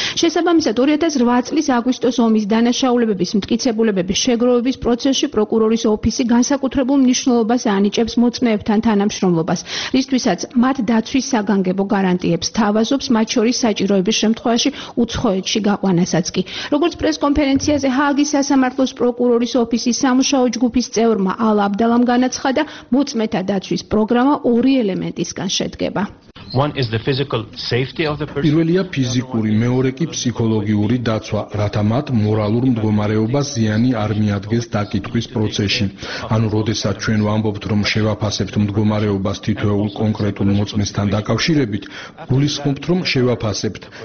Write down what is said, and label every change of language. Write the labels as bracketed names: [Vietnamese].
[Georgian] შესაბამისად, 2008 წლის აგვისტოს ომის დანაშაულებების მტკიცებულებების შეგროვების პროცესში პროკურორის ოფისი განსაკუთრებულ მნიშვნელობას ანიჭებს მოწმეებთან თანამშრომლობას, რისთვისაც მათ დაცვის საგანგებო გარანტიებს თავაზობს, მათ შორის საჭიროების შემთხვევაში უცხოეთში გაყვანასაც კი. როგორც პრესკონფერენციაზე ჰააგის სასამართლოს პროკურორის ოფისის სამუშაო ჯგუფის წევრმა ალ აბდალამ განაცხადა, მოწმეთა დაცვის პროგრამა ორი ელემენტისგან შედგება. [English] One is the physical safety of the person. [Georgian] პირველია ფიზიკური, მეორე კი ფსიქოლოგიური დაცვა, რათა მათ მორალურ მდგომარეობას ზიანი არ მიადგეს დაკითხვის პროცესში. ანუ როდესაც ჩვენ ვამბობთ, რომ შევაფასებთ მდგომარეობას თითოეულ კონკრეტულ მოწმესთან დაკავშირებით, გულისხმობთ, რომ შევაფასებთ.